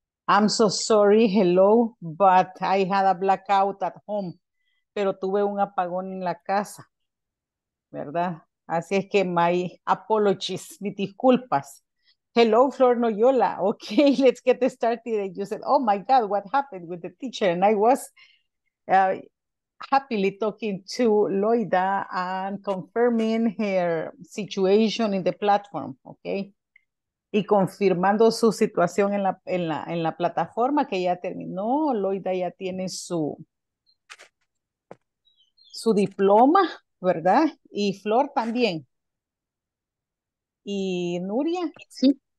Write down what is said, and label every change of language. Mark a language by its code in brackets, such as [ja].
[en] I'm so sorry, hello, but I had a blackout at home. [es] Pero tuve un apagón en la casa, ¿verdad? Así es que [en] my apologies, [es] mis disculpas. [en] Hello, Flor Noyola. Okay, let's get started. And you said, oh my God, what happened with the teacher? And I was happily talking to Loida and confirming her situation in the platform, okay? [es] Y confirmando su situación en la plataforma que ya terminó. Loida ya tiene su diploma, ¿verdad? Y Flor también. Y Nuria, Sí,